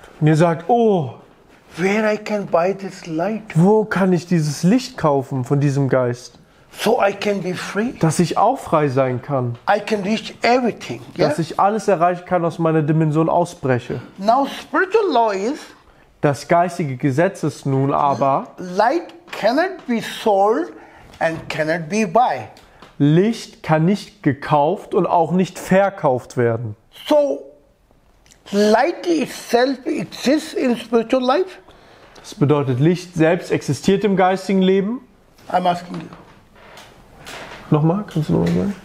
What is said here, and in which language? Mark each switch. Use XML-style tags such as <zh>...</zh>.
<de>Und ihr sagt, oh.</de> <en>Where I can buy this light?</en> <de>Wo kann ich dieses Licht kaufen von diesem Geist?</de> <en>So I can be free.</en> <de>Dass ich auch frei sein kann.</de> <en>I can reach everything. Yeah?</en> <de>Dass ich alles erreichen kann, aus meiner Dimension ausbreche.</de> <en>Now spiritual law is.</en> <de>Das geistige Gesetz ist nun aber.</de> <en>Light cannot be sold and cannot be bought.</en> <de>Licht kann nicht gekauft und auch nicht verkauft werden.</de> <en>So. Light itself exists in spiritual life.</en> <de>Das bedeutet, Licht selbst existiert im geistigen Leben.</de> <en>I'm asking you.</en> <de>Nochmal, kannst du nochmal sagen?</de>